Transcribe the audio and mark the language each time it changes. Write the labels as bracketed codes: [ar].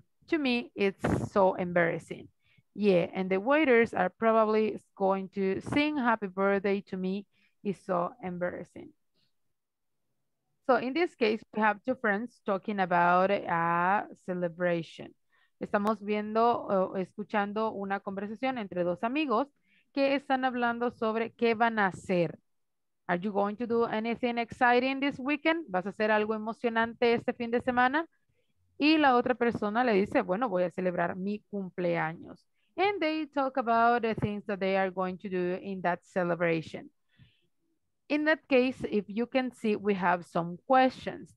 [en] To me, it's so embarrassing. Yeah, and the waiters are probably going to sing happy birthday to me. It's so embarrassing. So in this case, we have two friends talking about a celebration. [es] Estamos viendo o escuchando una conversación entre dos amigos que están hablando sobre qué van a hacer. [en] Are you going to do anything exciting this weekend? [es] ¿Vas a hacer algo emocionante este fin de semana? Y la otra persona le dice, bueno, voy a celebrar mi cumpleaños. [en] And they talk about the things that they are going to do in that celebration. In that case, if you can see, we have some questions.